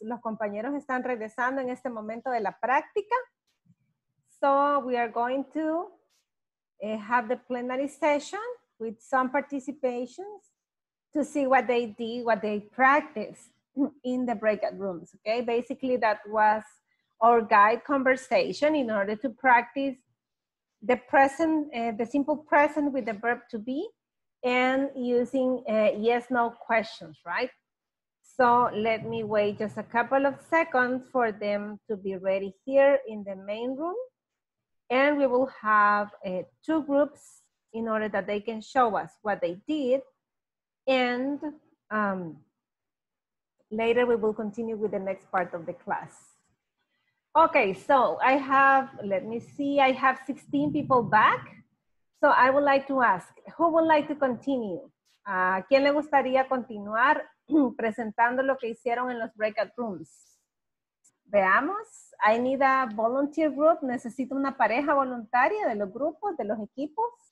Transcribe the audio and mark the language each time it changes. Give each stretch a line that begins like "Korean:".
Spanish: Los compañeros están regresando en este momento de la práctica.
English: So we are going to have the plenary session with some participations to see what they did, what they practiced in the breakout rooms, okay? Basically, that was our guide conversation in order to practice the present, the simple present with the verb to be, and using yes-no questions, right? So let me wait just a couple of seconds for them to be ready here in the main room. And we will have two groups in order that they can show us what they did. And later we will continue with the next part of the class. Okay, so I have, let me see, I have 16 people back. So I would like to ask, who would like to continue?
Spanish: ¿Quién le gustaría continuar presentando lo que hicieron en los breakout rooms? Veamos,
English: I need a volunteer group.
Spanish: Necesito una pareja voluntaria de los grupos, de los equipos.